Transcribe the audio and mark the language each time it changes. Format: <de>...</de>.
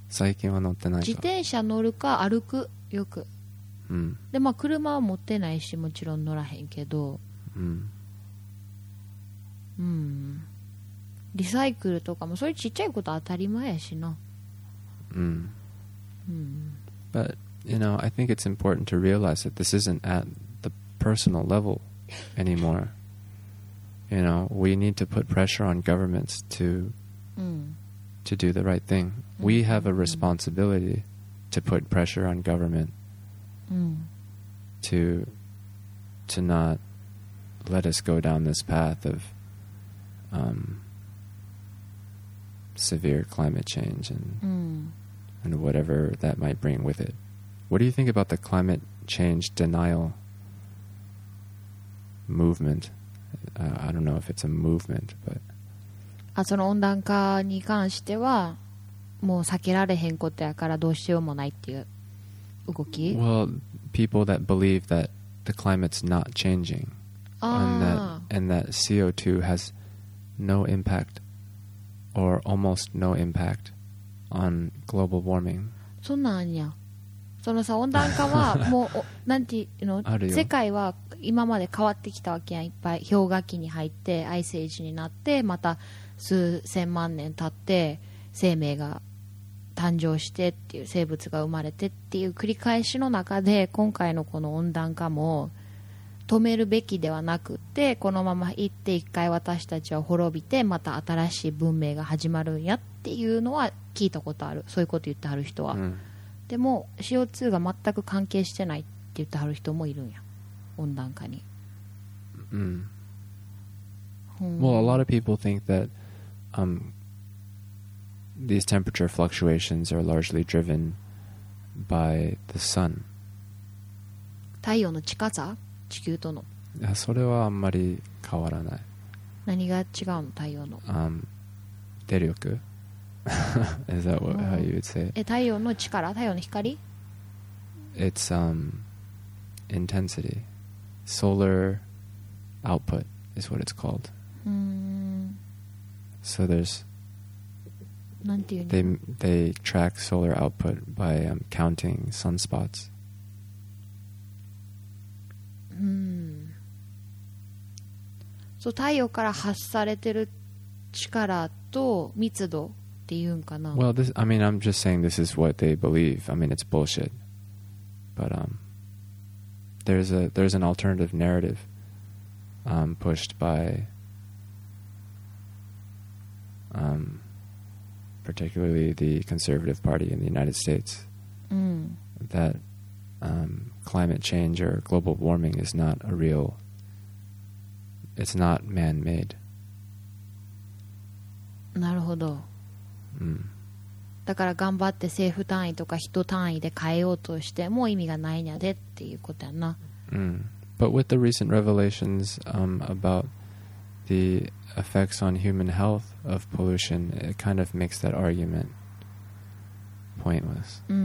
<ja>最近は乗ってないか。自転車乗るか歩くよく、うん、でまあ車は持ってないし、もちろん乗らへんけど、うん、うん、リサイクルとかもそれちっちゃいこと当たり前やしな。 Mm.</ja> <en>But you know, I think it's important to realize that this isn't at the personal level anymore. You know, we need to put pressure on governments to、 mm. to do the right thing.、Mm. We have a responsibility、mm. to put pressure on government、mm. to not let us go down this path of、severe climate change and、 mm. And whatever that might bring with it. What do you think about the climate change denial movement? I don't know if it's a movement, but...</en> <ja>あ、その温暖化に関しては、もう避けられへんことやからどうしようもないっていう動き？</ja> <en>Well, people that believe that the climate's not changing. And that CO2 has no impact or almost no impact.on global warming.</en> <ja>そうなんや。そのさ温暖化はもうなんていうの、世界は今まで変わってきたわけやん。いっぱい氷河期に入ってアイスエイジになってまた数千万年経って生命が誕生してっていう生物が生まれてっていう繰り返しの中で、今回のこの温暖化も止めるべきではなくて、このまま行って一回私たちは滅びてまた新しい文明が始まるんやっていうのは聞いたことある、そういうこと言ってはる人は、うん、でも CO2 が全く関係してないって言ってはる人もいるんや、温暖化に。</ja> <en>うん、うん、Well, a lot of people think that、these temperature fluctuations are largely driven by the sun.</en> <ja>太陽の近さ、地球との。いや、それはあんまり変わらない。何が違うの、太陽の。</ja> <en>電力。Is that what, how you would say?</en> <ja>え、太陽の力、太陽の光。</ja> <en>It's intensity. Solar output is what it's called. So there's.</en> <ja>なんていうの?</ja> <en>They track solar output by counting sunspots.</en> <ja>そう、太陽から発されてる力と密度っていうんかな?</ja> <en>Well, this, I mean, I'm just saying this is what they believe. I mean, it's bullshit. But there's an alternative narrative pushed by particularly the conservative party in the United States、that climate change or global warming is not a real, it's not man-made.</en> <ja>なるほど、だから頑張って政府単位とか人単位で変えようとしても意味がないんやでっていうことやな、</ja> <en>But with the recent revelations about theEffects on human health of pollution, it kind of makes that argument pointless.</en>